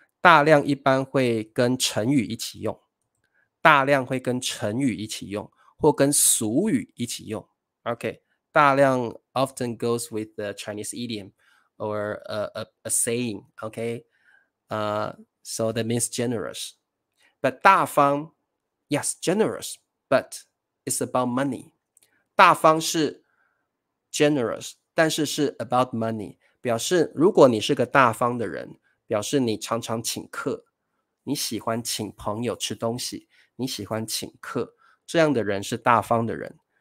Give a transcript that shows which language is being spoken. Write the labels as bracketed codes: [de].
[zh] 大量一般会跟成语一起用，大量会跟成语一起用，或跟俗语一起用。 OK。 [en] 大量 often goes with the Chinese idiom or a saying, okay? So that means generous. But 大方, yes, generous, but it's about money. [zh] 大方是 generous, 但是是 [en] about money. [zh] 表示如果你是个大方的人，表示你常常请客，你喜欢请朋友吃东西，你喜欢请客，这样的人是大方的人。